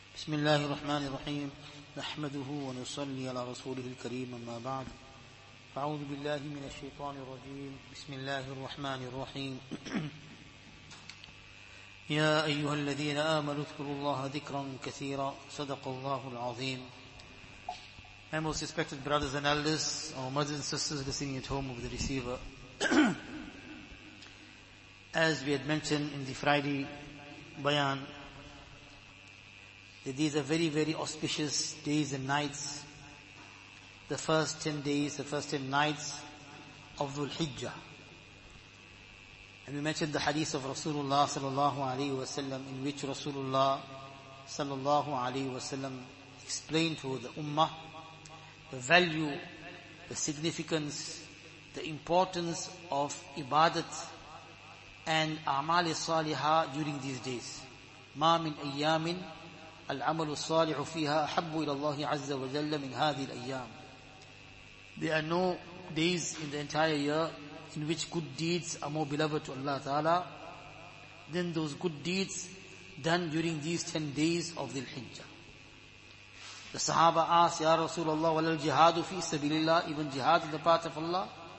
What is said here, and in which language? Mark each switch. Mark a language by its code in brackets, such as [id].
[ar] بسم الله الرحمن الرحيم، نحمده ونصلي على رسوله الكريم، أما بعد، فأعوذ بالله من الشيطان الرجيم. بسم الله الرحمن الرحيم. يا أيها الذين آمنوا اذكروا الله ذكرا كثيرا، صدق الله العظيم. [en] My most respected brothers and elders, our mothers and sisters listening at home over the receiver. As we had mentioned in the Friday Bayan, that these are very, very auspicious days and nights. The first 10 days, the first 10 nights of Dhul Hijjah. And we mentioned the hadith of Rasulullah sallallahu alayhi wa sallam, in which Rasulullah sallallahu alayhi wa sallam explained to the ummah the value, the significance, the importance of ibadat and a'mal salihah during these days. [ar] Ma min ayyamin العمل الصالح فيها أحب إلى الله عز وجل من هذه الأيام. [en] There are no days in the entire year in which good deeds are more beloved to Allah Ta'ala than those good deeds done during these 10 days of the Hijjah. The Sahaba asked, Ya Rasulullah, [ar] wa al-jihadu fi sabilillah, [en] even jihad in the path of Allah?